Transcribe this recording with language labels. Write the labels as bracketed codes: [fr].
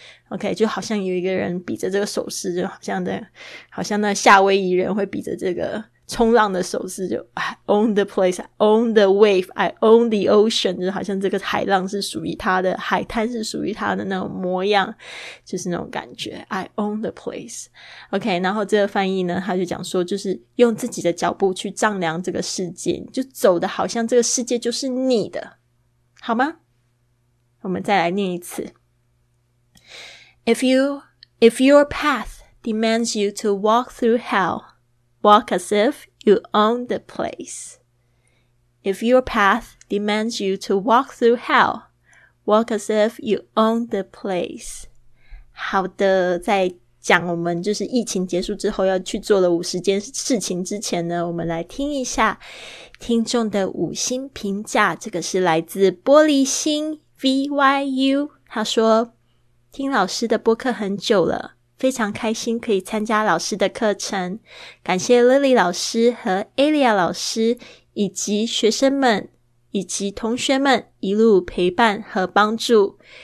[zh] OK， 就好像有一个人比着这个手势，就好像的，好像那夏威夷人会比着这个冲浪的手势，就 [en] I own the place, I own the wave, I own the ocean, [zh] 就好像这个海浪是属于他的，海滩是属于他的那种模样，就是那种感觉， [en] I own the place. [zh] OK, 然后这个翻译呢，他就讲说，就是用自己的脚步去丈量这个世界，就走的好像这个世界就是你的，好吗？我们再来念一次。 [en] If your path demands you to walk through hellWalk as if you own the place. If your path demands you to walk through hell, walk as if you own the place. [zh] 好的，在讲我们就是疫情结束之后要去做的50件事情之前呢，我们来听一下听众的5星评价。这个是来自玻璃心 VYU 他说，听老师的播客很久了，非常开心可以参加老师的课程，感谢 Lily 老师和 Alia 老师以及学生们以及同学们一路陪伴和帮助。